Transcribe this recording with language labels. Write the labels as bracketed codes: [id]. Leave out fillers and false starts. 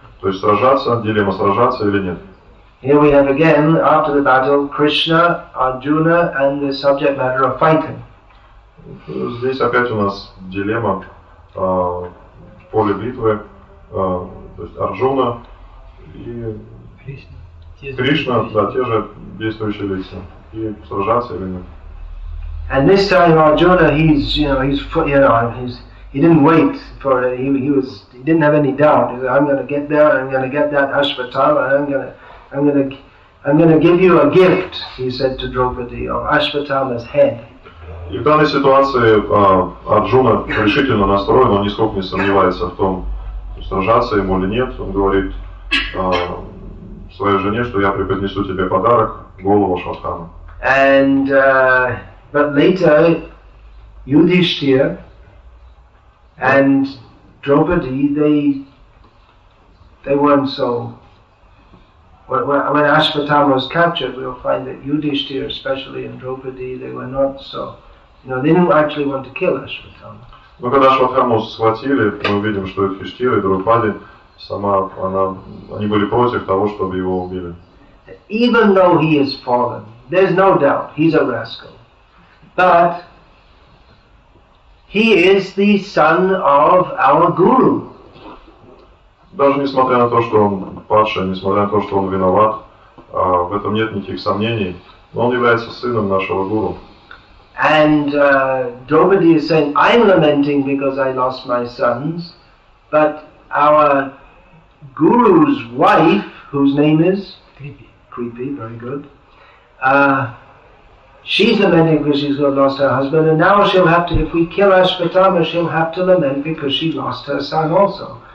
[ru] То есть сражаться, дилемма сражаться или нет. [en] Here we have again, after the battle, Krishna, Arjuna and the subject matter of fighting. [ru] Здесь опять у нас дилемма в поле битвы, то есть Арджуна и Кришна, да, те же действующие лица, и сражаться или нет. [en] And this time Arjuna, he didn't have any doubt. He said, I'm going to get there. I'm going to get that Ashvatthama. I'm going to give you a gift. He said to Draupadi of Ashvatthama's head. [ru] И в данной ситуации Арджуна решительно настроен. Он нисколько не сомневается в том, сражаться ему или нет. Он говорит своей жене, что я преподнесу тебе подарок, голову Ашватхамы. [en] And but later, Yudhishthira and Draupadi, they weren't so. When Ashvatthama was captured, we'll find that Yudhishthira, especially, and Draupadi, they were not so. You know, they didn't actually want to kill Ashvatthama. [ru] Но когда Ашватхаму схватили, мы видим, что Юдиштхира и Драупади сама она они были против того, чтобы его убили. [en] Even though he is fallen, there's no doubt he's a rascal, but he is the son of our guru. [ru] Даже несмотря на то, что он падший, несмотря на то, что он виноват, в этом нет никаких сомнений. Но он является сыном нашего гуру. [en] And Draupadi is saying, I'm lamenting because I lost my sons, but our guru's wife, whose name is Creepy, very good. She's lamenting because she's lost her husband, and now she'll have to, if we kill Ashvatthama, she'll have to lament because she lost her son also.